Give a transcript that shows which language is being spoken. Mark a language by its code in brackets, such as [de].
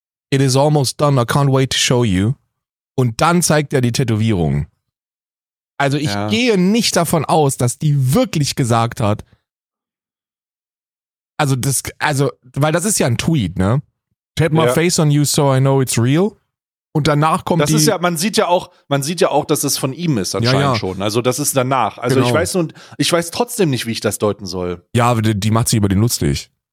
[en] It is almost done. I can't wait to show you. [de] Und dann zeigt er die Tätowierung. Also ich gehe nicht davon aus, dass die wirklich gesagt hat. Also das, also, weil das ist ja ein Tweet, ne? [en] Tap my face on you so I know it's real. [de] Und danach kommt das die... Das ist ja, man sieht ja auch, dass das von ihm ist anscheinend schon. Also das ist danach. Also genau. ich weiß trotzdem nicht, wie ich das deuten soll. Ja, die macht sich über den lustig.